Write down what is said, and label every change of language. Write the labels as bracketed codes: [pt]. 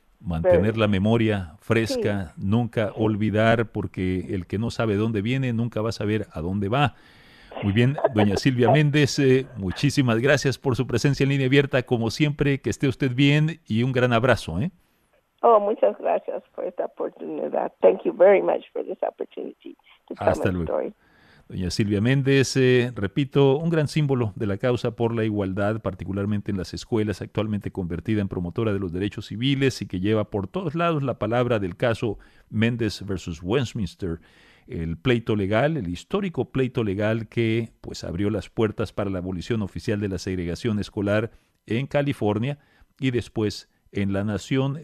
[es] Mantener la memoria fresca, nunca olvidar, porque el que no sabe dónde viene nunca va a saber a dónde va. Muy bien, doña Silvia Méndez, muchísimas gracias por su presencia en Línea Abierta. Como siempre, que esté usted bien y un gran abrazo. Oh, muchas gracias por esta oportunidad. [en] Thank you very much for this opportunity to tell my story. [es] Hasta luego. Doña Silvia Méndez, repito, un gran símbolo de la causa por la igualdad, particularmente en las escuelas, actualmente convertida en promotora de los derechos civiles y que lleva por todos lados la palabra del caso Méndez versus Westminster, el pleito legal, el histórico pleito legal que pues abrió las puertas para la abolición oficial de la segregación escolar en California y después en la nación.